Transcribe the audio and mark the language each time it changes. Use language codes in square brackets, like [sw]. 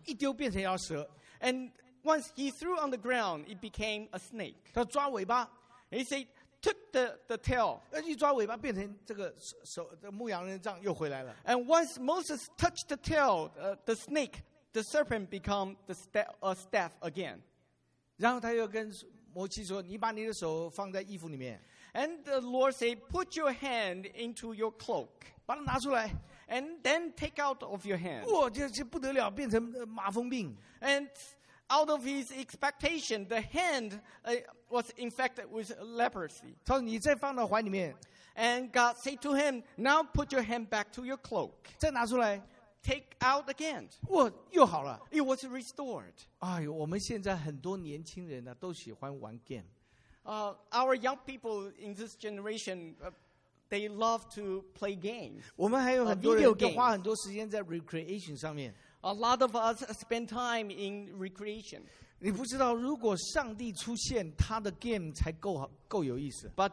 [zh] 一丢变成妖蛇。 [en] And once he threw on the ground, it became a snake. [zh] 他抓尾巴。 [en] He said, took the tail. [zh] 一抓尾巴变成这个牧羊人的杖又回来了。 [en] And once Moses touched the tail, the snake, the serpent become the staff again. [zh] 然后他又跟 摩西说：“你把你的手放在衣服里面。” [en] And the Lord said, "Put your hand into your cloak." [zh] 把它拿出来。 [en] And then take out of your hand. [zh] 哇，这不得了，变成麻风病。 [en] And out of his expectation, the hand was infected with leprosy. [zh] 他说：“你再放到怀里面。” [en] And God said to him, "Now put your hand back to your cloak." [zh] 再拿出来。 [en] Take out again. [zh] 哇，又好了。 [en] It was restored. [zh] 哎呦，我们现在很多年轻人呢都喜欢玩 game. [en] Our young people in this generation, they love to play games. [zh] 我们还有很多人都花很多时间在 recreation 上面。 [en] A lot of us spend time in recreation. [zh] 你不知道，如果上帝出现，他的 game 才够有意思。 [en] But